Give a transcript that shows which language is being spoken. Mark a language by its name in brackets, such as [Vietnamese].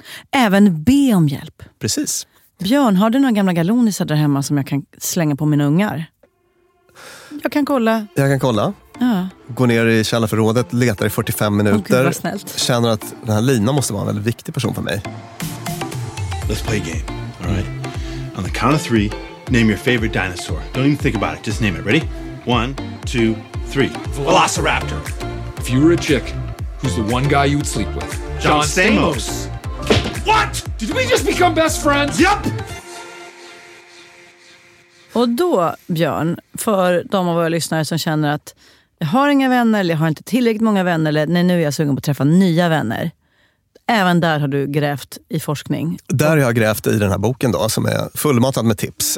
[Swedish] även be om hjälp. Precis. Björn, har du några gamla galonisar där hemma som jag kan slänga på mina ungar? Jag kan kolla. Jag kan kolla. Ja. Går ner i källarförrådet, letar i 45 minuter. Oh, gud, vad snällt. Känner att den här Lina måste vara en väldigt viktig person för mig. [English] Let's play a game, all right? On the count of three, name your favorite dinosaur. Don't even think about it, just name it. Ready? One, two, three. Velociraptor. If you were a chick, who's the one guy you would sleep with? John Stamos. What? Did we just become best friends? Yep. [Swedish] Och då, Björn, för de av våra lyssnare som känner att jag har inga vänner eller jag har inte tillräckligt många vänner eller nej, nu är jag sugen på att träffa nya vänner. Även där har du grävt i forskning. Där har jag grävt i den här boken då, som är fullmatad med tips.